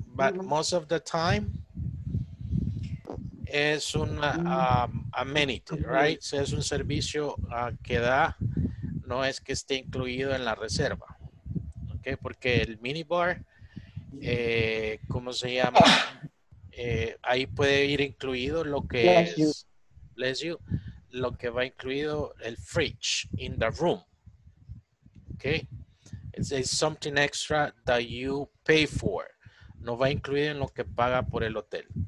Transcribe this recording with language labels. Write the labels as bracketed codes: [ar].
[en] But most of the time, [es] es un [en] amenity, right? [es] So es un servicio que da, no es que esté incluido en la reserva. Okay, porque el minibar, ¿cómo se llama? Ahí puede ir incluido lo que [en] bless you, [es] lo que va incluido el [en] fridge in the room. Okay, it's something extra that you pay for. [es] No va incluido en lo que paga por el hotel.